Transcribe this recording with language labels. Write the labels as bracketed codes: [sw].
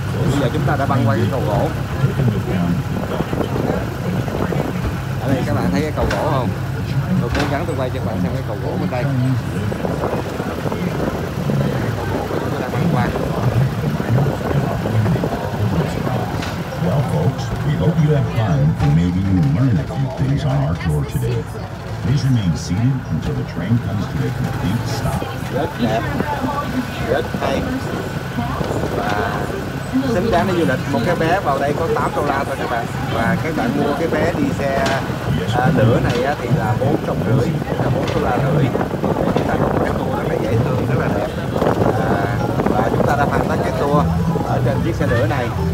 [vi] Bây giờ chúng ta đã băng qua cái cầu gỗ. Ở đây các bạn thấy cái cầu gỗ không? Tôi cố gắng tôi quay cho các bạn xem cái cầu gỗ bên đây. Đây là cái cầu gỗ mà chúng ta đang băng qua. [en] Well folks, we hope you have fun and maybe you learn a few things on our tour today. Please remain seated until the train comes to a complete stop. [vi] Rất đẹp, rất hay. Và xứng đáng đi du lịch, một cái vé vào đây có $8 thôi các bạn. Và các bạn mua cái vé đi xe lửa này thì là $4.50, là $4.50. Chúng ta có một cái tour rất là dễ thương, rất là đẹp. Và chúng ta đã hoàn tất cái tour ở trên chiếc xe lửa này.